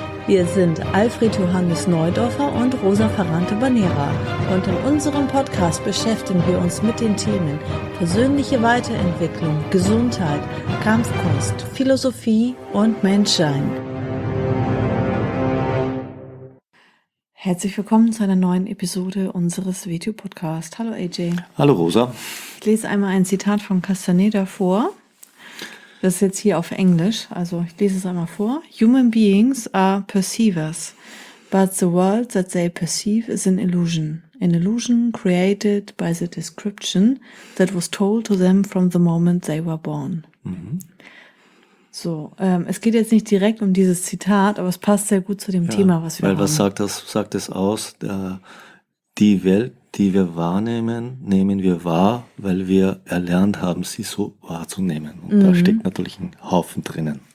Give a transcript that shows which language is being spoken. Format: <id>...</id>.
<de>Wir sind Alfred Johannes Neudorfer und Rosa Ferrante-Banera und in unserem Podcast beschäftigen wir uns mit den Themen persönliche Weiterentwicklung, Gesundheit, Kampfkunst, Philosophie und Menschsein. Herzlich willkommen zu einer neuen Episode unseres WTU-Podcasts. Hallo AJ. Hallo Rosa. Ich lese einmal ein Zitat von Castaneda vor. Das ist jetzt hier auf Englisch. Also ich lese es einmal vor.</de> <en>Human beings are perceivers, but the world that they perceive is an illusion created by the description that was told to them from the moment they were born. Mhm.</en> <de>So, es geht jetzt nicht direkt um dieses Zitat, aber es passt sehr gut zu dem Thema, was wir haben. Weil was sagt das? Sagt es aus? Die Welt, die wir wahrnehmen, nehmen wir wahr, weil wir erlernt haben, sie so wahrzunehmen. Und da steckt natürlich ein Haufen drinnen.</de>